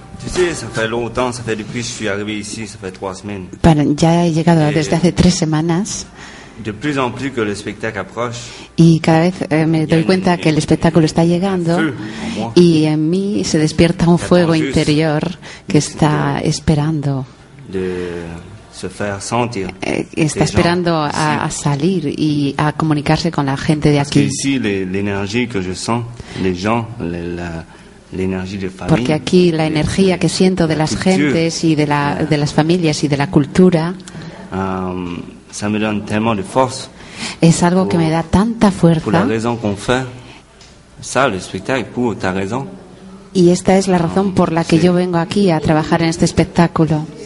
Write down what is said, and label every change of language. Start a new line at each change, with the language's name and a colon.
French: Tu sais, ça fait longtemps, ça fait depuis que je suis arrivé ici, ça fait 3 semaines.
Spanish: Bueno, ya he llegado desde hace 3 semanas.
French: De plus en plus que le spectacle approche.
Spanish: Y cada vez me doy cuenta que el espectáculo está llegando y en mí se despierta un fuego interior que está esperando.
French: De se faire sentir.
Spanish: Está esperando a salir y a comunicarse con la gente de aquí.
French: Parce que ici, l'énergie que je sens, les gens, la l'énergie de famille,
Spanish: porque aquí la energía que siento de las gentes y de las familias y de la cultura,
French: ça me donne tellement de force,
Spanish: es algo que me da tanta fuerza.
French: Pour la raison qu'on fait ça, le spectacle, pour ta raison.
Spanish: Y esta es la razón por la que yo vengo aquí a trabajar en este espectáculo.